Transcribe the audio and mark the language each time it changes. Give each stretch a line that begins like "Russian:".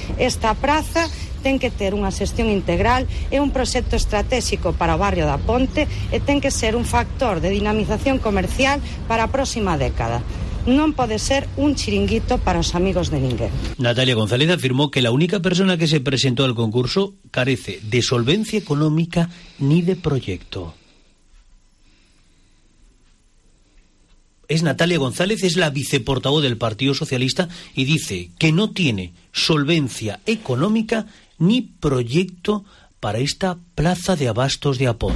Galician: Esta praza ten que ter unha xestión integral, é un proxecto estratégico para o barrio da Ponte e ten que ser un factor de dinamización comercial para a próxima década. Non pode ser un chiringuito para os amigos de ninguén.
Spanish: Natalia González afirmó que la única persona que se presentó al concurso carece de solvencia económica ni de proyecto. Es Natalia González, es la viceportavoz del Partido Socialista y dice que no tiene solvencia económica ni proyecto para esta plaza de abastos de Aponte.